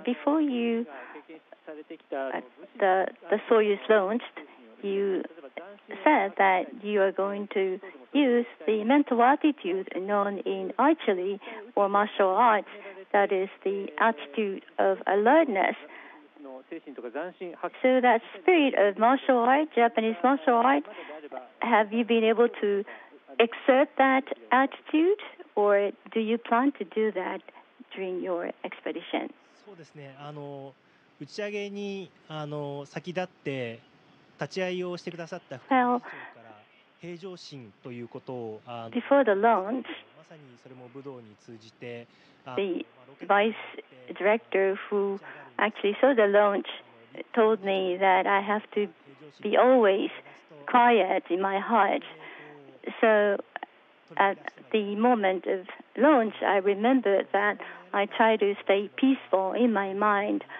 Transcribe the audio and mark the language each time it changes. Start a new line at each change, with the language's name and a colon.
English: Before you the Soyuz launched, you said that you are going to use the mental attitude known in archery or martial arts, that is the attitude of alertness, So that spirit of martial art, Japanese martial art, have you been able to exert that attitude, or do you plan to do that during your expedition?
Japanese: そうですね。打ち上げに先立って立ち会いをしてくださった副長から平常心ということを、
English: before the launch,
Japanese: まさにそれも武道に通じて、
English: the vice director who actually saw the launch told me that I have to be always quiet in my heart. So at the moment of launch, I remembered that I try to stay peaceful in my mind.